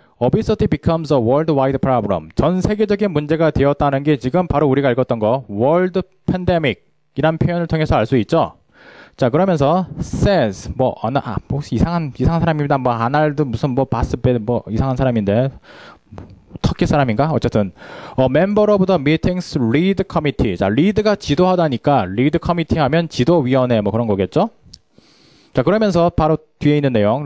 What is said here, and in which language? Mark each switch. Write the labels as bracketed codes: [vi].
[en] Obesity becomes a worldwide problem. [ko] 전 세계적인 문제가 되었다는 게 지금 바로 우리가 읽었던 거, world pandemic 이란 표현을 통해서 알 수 있죠. 자, 그러면서 says 뭐 어느 아, 뭐 이상한 사람입니다. 뭐 아날드 무슨 뭐 바스베 뭐 이상한 사람인데 터키 사람인가? [en] 어쨌든 a member of the meeting's lead committee. [ko] 자, lead가 지도하다니까 lead committee 하면 지도위원회 뭐 그런 거겠죠? 자, 그러면서 바로 뒤에 있는 내용.